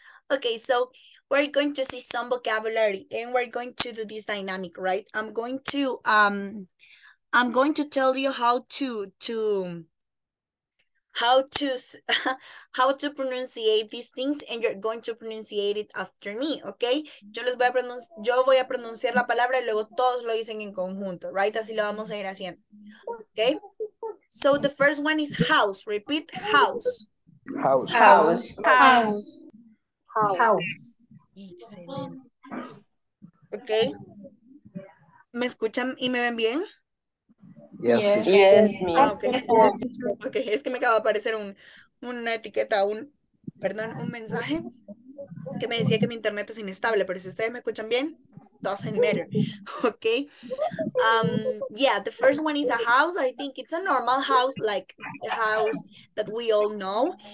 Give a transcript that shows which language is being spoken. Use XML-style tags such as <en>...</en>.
<en>Okay, so we're going to see some vocabulary and we're going to do this dynamic, right? I'm going to tell you how to pronunciate these things, and you're going to pronunciate it after me, okay?</en> <es>Yo voy a pronunciar la palabra y luego todos lo dicen en conjunto, right? Así lo vamos a ir haciendo,</es> <en>okay? So the first one is house. Repeat, house. House. House. House. House. House.</en> <es>Excellent. Okay. ¿Me escuchan y me ven bien?</es> <en>Yes. Yes. Okay.</en> <es>Es que me acaba de aparecer una etiqueta, un mensaje que me decía que mi internet es inestable, pero si ustedes me escuchan bien,</es> <en>doesn't matter. Okay. Yeah, the first one is a house. I think it's a normal house, like a house that we all know.</en>